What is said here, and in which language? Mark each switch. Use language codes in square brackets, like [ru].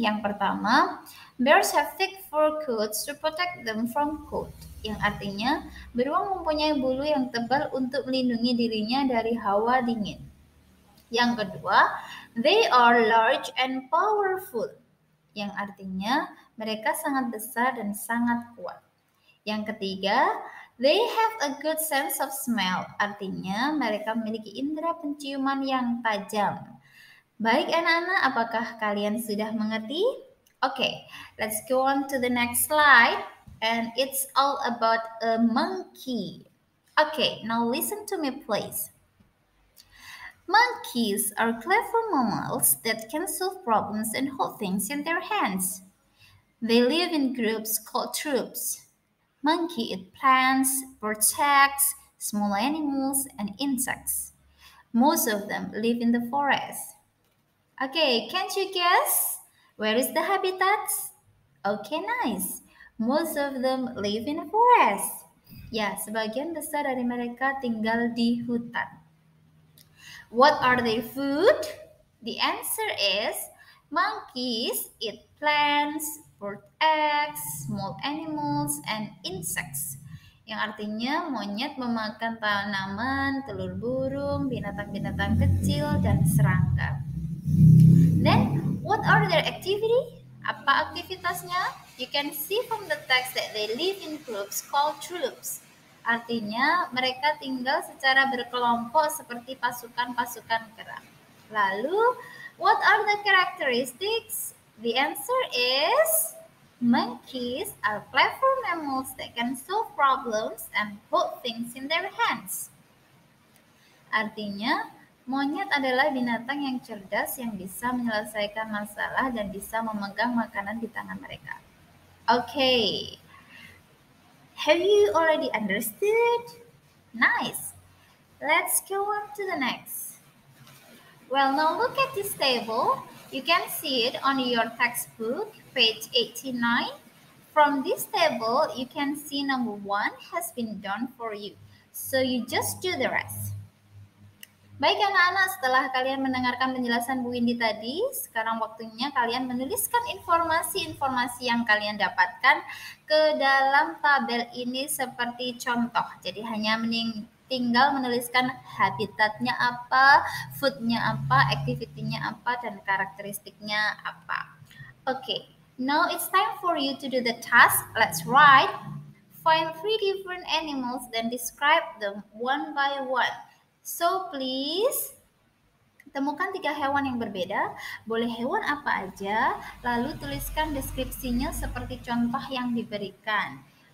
[id] Yang pertama, [en] bears have thick fur coats to protect them from cold. [id] Yang artinya, beruang mempunyai bulu yang tebal untuk melindungi dirinya dari hawa dingin. Yang kedua, [en] they are large and powerful. [id] Yang artinya, mereka sangat besar dan sangat kuat. Yang ketiga, [en] they have a good sense of smell. [id] Artinya, mereka memiliki indera penciuman yang tajam. Baik anak-anak, apakah kalian sudah mengerti? [en] Okay, let's go on to the next slide. And it's all about a monkey. Okay, now listen to me please. Monkeys are clever mammals that can solve problems and hold things in their hands. They live in groups called troops. Monkeys eat plants, birds, small animals, and insects. Most of them live in the forest. Okay, can't you guess? Where is the habitat? Okay, nice. Most of them live in a forest. [id] Ya, sebagian besar dari mereka tinggal di hutan. [en] What are their food? The answer is monkeys eat plants, bird eggs, small animals, and insects. [id] Yang artinya monyet memakan tanaman, telur burung, binatang-binatang kecil, dan serangga. [en] Then, what are their activity? [id] Apa aktivitasnya? [en] You can see from the text that they live in groups called troops. [id] Artinya, mereka tinggal secara berkelompok seperti pasukan-pasukan kerang. [en] Lalu, what are the characteristics? The answer is, monkeys are clever mammals that can solve problems and hold things in their hands. [id] Artinya, monyet adalah binatang yang cerdas yang bisa menyelesaikan masalah dan bisa memegang makanan di tangan mereka. [en] Okay, have you already understood? Nice. Let's go on to the next. Well, now look at this table. You can see it on your textbook, page 89. From this table, you can see number one has been done for you. So you just do the rest. [id] Baik anak-anak, setelah kalian mendengarkan penjelasan Bu Windy tadi, sekarang waktunya kalian menuliskan informasi-informasi yang kalian dapatkan ke dalam tabel ini seperti contoh. Jadi hanya tinggal menuliskan habitatnya apa, foodnya apa, activity-nya apa, dan karakteristiknya apa. [en] Okay, now it's time for you to do the task. Let's write. Find three different animals, then describe them one by one. So please, [id] temukan tiga hewan yang berbeda, boleh hewan apa aja, lalu tuliskan deskripsinya seperti contoh yang diberikan.